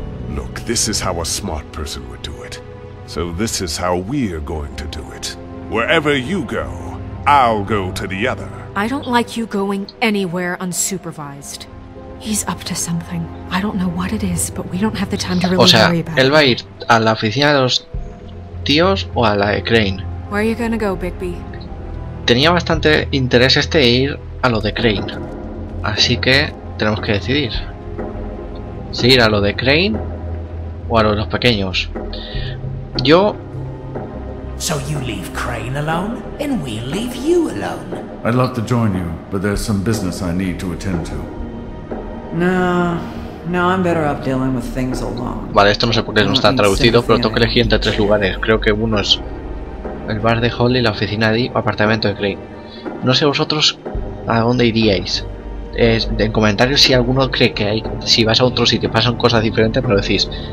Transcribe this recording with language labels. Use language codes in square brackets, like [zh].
[en] Look, this is how a smart person would do it. So this is how we're going to do it. Wherever you go, I'll go to the other. I don't like you going anywhere unsupervised. He's up to something. I don't know what it is, but we don't have the time to really worry about it. [es] O sea, ¿él va a ir a la oficina de los tíos o a la de Crane? [en] Where are you gonna go, Bigby? [es] Tenía bastante interés este ir a lo de Crane, así que tenemos que decidir si ir a lo de Crane o a lo de los pequeños. Yo. [en] So you leave Crane alone, and we'll leave you alone. I'd love to join you, but there's some business I need to attend to. Nah, No, I'm better off dealing with things alone. [es] Vale, esto no sé por qué no está traducido, pero tengo que elegir entre tres lugares. Creo que uno es el bar de Holly, la oficina de Dee o apartamento de Crane. No sé vosotros a dónde iríais. En comentarios, si alguno cree que hay, si vas a otro sitio pasan cosas diferentes, me lo decís.